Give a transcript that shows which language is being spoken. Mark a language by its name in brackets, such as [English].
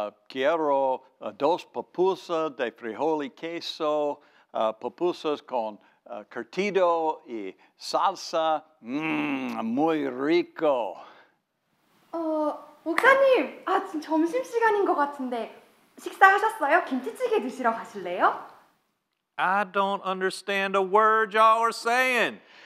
[Spanish] Quiero dos pupusas de frijol y queso, pupusas con curtido y salsa. Muy rico. [Korean] 목사님, 지금 점심시간인 것 같은데 식사하셨어요? 김치찌개 드시러 가실래요? [English] I don't understand a word y'all are saying.